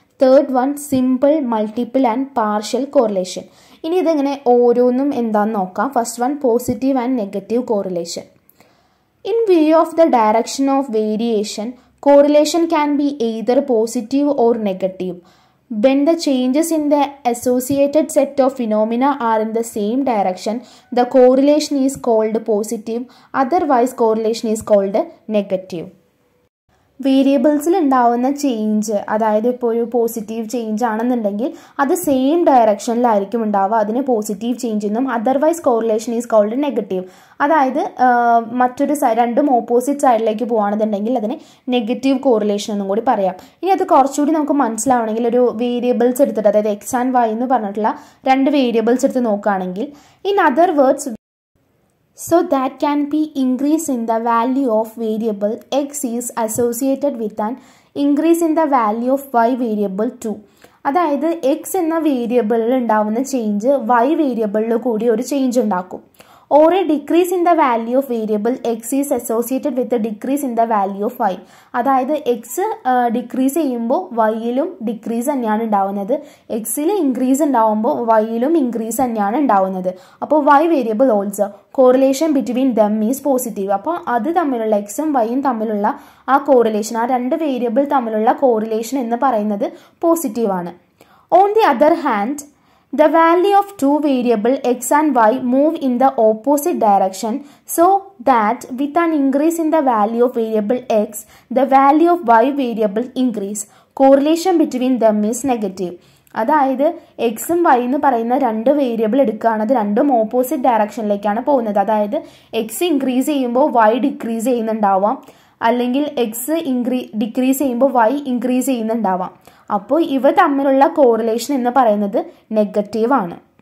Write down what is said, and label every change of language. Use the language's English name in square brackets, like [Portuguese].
[English] Third one, simple, multiple and partial correlation. [Malayalam] ഇനി ഇതെങ്ങനെ ഓരോന്നും എന്താണെന്ന് നോക്കാം. [English] First one, positive and negative correlation. In view of the direction of variation, correlation can be either positive or negative. When the changes in the associated set of phenomena are in the same direction, the correlation is called positive, otherwise correlation is called negative. [Malayalam] വേരിയബിൾസിൽ ഉണ്ടാവുന്ന change, അതായത് ഇപ്പോൾ ഒരു positive change ആണെന്നുണ്ടെങ്കിൽ അത് same ഡയറക്ഷനിലായിരിക്കും ഉണ്ടാവുക, അതിന് positive change എന്നും [English] Otherwise correlation is called negative. [Malayalam] അതായത് മറ്റൊരു രണ്ടും ഓപ്പോസിറ്റ് സൈഡിലേക്ക് പോകുകയാണെന്നുണ്ടെങ്കിൽ അതിന് നെഗറ്റീവ് കോറിലേഷൻ എന്നും കൂടി പറയാം. ഇനി അത് കുറച്ചുകൂടി നമുക്ക് മനസ്സിലാവണമെങ്കിൽ ഒരു വേരിയബിൾസ് എടുത്തിട്ട്, അതായത് എക്സ് ആൻഡ് വൈ എന്ന് പറഞ്ഞിട്ടുള്ള രണ്ട് വേരിയബിൾസ് എടുത്ത് നോക്കുകയാണെങ്കിൽ, [English] In other words, so that can be increase in the value of variable x is associated with an increase in the value of y variable 2. [Malayalam] അതായത് x എന്ന വേരിയബിളിൽ ഉണ്ടാവുന്ന ചേഞ്ച് y വേരിയബിളിൽ കൂടി ഒരു ചേഞ്ച് ഉണ്ടാക്കും. [English] Or a decrease in the value of variable X is associated with decrease in the value of Y. [Malayalam] അതായത് X decrease ചെയ്യുമ്പോൾ വൈയിലും ഡിക്രീസ് തന്നെയാണ് ഉണ്ടാവുന്നത്. എക്സിൽ ഇൻക്രീസ് ഉണ്ടാവുമ്പോൾ വൈയിലും ഇൻക്രീസ് തന്നെയാണ് ഉണ്ടാവുന്നത്. [English] അപ്പോൾ Y variable also, correlation between them is positive. [Malayalam] അപ്പോൾ അത് തമ്മിലുള്ള എക്സും വൈയും തമ്മിലുള്ള ആ കോറിലേഷൻ, ആ രണ്ട് വേരിയബിൾ തമ്മിലുള്ള കോറിലേഷൻ എന്ന് പറയുന്നത് പോസിറ്റീവാണ്. [English] On the other hand, the value of two variable x and y move in the opposite direction, so that with an increase in the value of variable x, the value of y variable increase. Correlation between them is negative. [Malayalam] അതായത് എക്സും Y എന്ന് പറയുന്ന രണ്ട് variable എടുക്കുകയാണ്, അത് രണ്ടും opposite ഡയറക്ഷനിലേക്കാണ് പോകുന്നത്. അതായത് എക്സ് ഇൻക്രീസ് ചെയ്യുമ്പോൾ വൈ ഡിക്രീസ് ചെയ്യുന്നുണ്ടാവാം, അല്ലെങ്കിൽ എക്സ് ഡിക്രീസ് ചെയ്യുമ്പോൾ വൈ ഇൻക്രീസ് ചെയ്യുന്നുണ്ടാവാം. അപ്പോൾ ഇവ തമ്മിലുള്ള കോറിലേഷൻ എന്ന് പറയുന്നത് നെഗറ്റീവ് ആണ്.